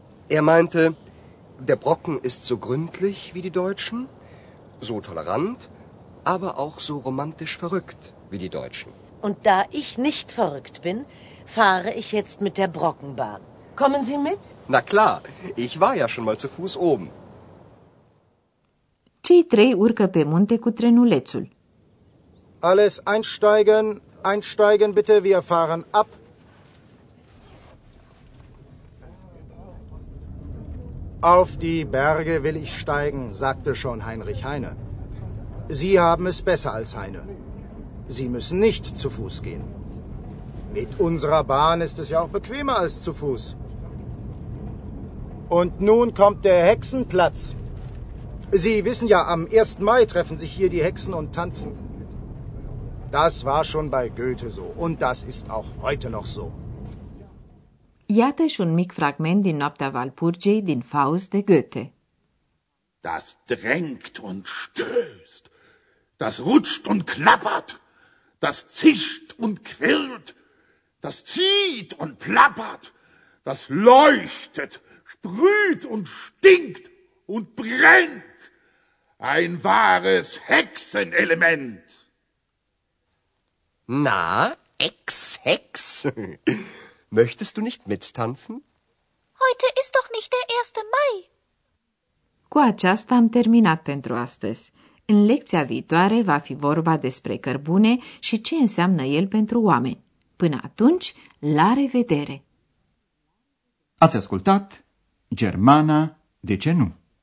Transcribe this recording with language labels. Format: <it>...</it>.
<de>Er meinte, der Brocken ist so gründlich wie die Deutschen, so tolerant, aber auch so romantisch verrückt wie die Deutschen. Und da ich nicht verrückt bin, fahre ich jetzt mit der Brockenbahn. Kommen Sie mit? Na klar, ich war ja schon mal zu Fuß oben.</de> <ro>Cei trei urcă pe munte cu trenulețul.</ro> <de>Alles einsteigen, einsteigen bitte, wir fahren ab. Auf die Berge will ich steigen, sagte schon Heinrich Heine. Sie haben es besser als Heine. Sie müssen nicht zu Fuß gehen. Mit unserer Bahn ist es ja auch bequemer als zu Fuß. Und nun kommt der Hexenplatz. Sie wissen ja, am 1. Mai treffen sich hier die Hexen und tanzen. Das war schon bei Goethe so und das ist auch heute noch so.</de> <ro>Iată și un mic fragment din Noaptea Walpurgiei din Faust de Goethe.</ro> <de>Das drängt und stößt. Das rutscht und klappert, das zischt und quillt, das zieht und plappert, das leuchtet, sprüht und stinkt und brennt. Ein wahres Hexenelement. Na, Ex, Hex, möchtest du nicht mittanzen? Heute ist doch nicht der 1. Mai.</de> <ro>Cu aceasta am terminat pentru astăzi. În lecția viitoare va fi vorba despre cărbune și ce înseamnă el pentru oameni. Până atunci, la revedere! Ați ascultat Germana, de ce nu?</ro>